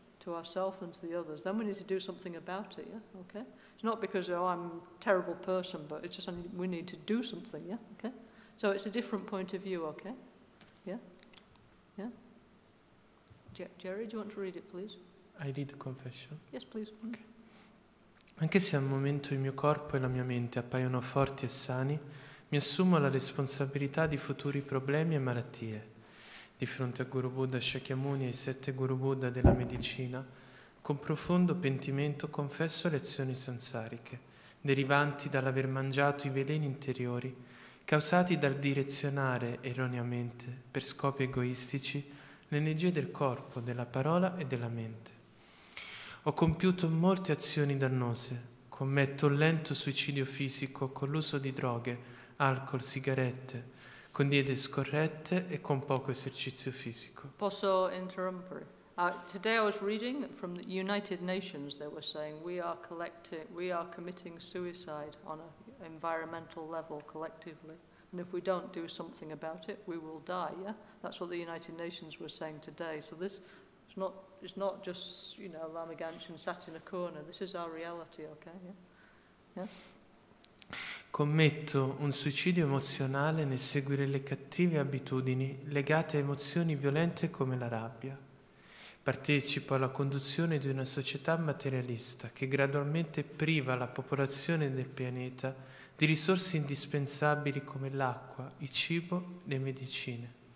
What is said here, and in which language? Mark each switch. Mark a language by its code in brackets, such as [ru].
[en] To ourselves and to the others. Then we need to do something about it, yeah? Okay? It's not because, oh, I'm a terrible person, but it's just we need to do something, yeah? Okay? So it's a different point of view, okay? Yeah? Yeah? Jerry, do you want to read it, please? I read the confession. Yes, please. Okay. [it] Anche se al momento il mio corpo e la mia mente appaiono forti e sani, mi assumo la responsabilità di futuri problemi e malattie. Di fronte a Guru Buddha Shakyamuni e ai 7 Guru Buddha della medicina, con profondo pentimento confesso le azioni sansariche, derivanti dall'aver mangiato i veleni interiori, causati dal direzionare erroneamente, per scopi egoistici, l'energia del corpo, della parola e della mente. Ho compiuto molte azioni dannose, commetto un lento suicidio fisico con l'uso di droghe, alcol, sigarette, con diete scorrette e con poco esercizio fisico. Posso interrompere? [en] Today I was reading from the United Nations, they were saying we are committing suicide on an environmental level collectively. And if we don't do something about it, we will die, yeah? That's what the United Nations were saying today. So this is not just, you know, Lama Ganshin sat in a corner. This is our reality, okay? Yeah? Yeah? [it] Commetto un suicidio emozionale nel seguire le cattive abitudini legate a emozioni violente come la rabbia. Partecipo alla conduzione di una società materialista che gradualmente priva la popolazione del pianeta di risorse indispensabili come l'acqua, il cibo, le medicine.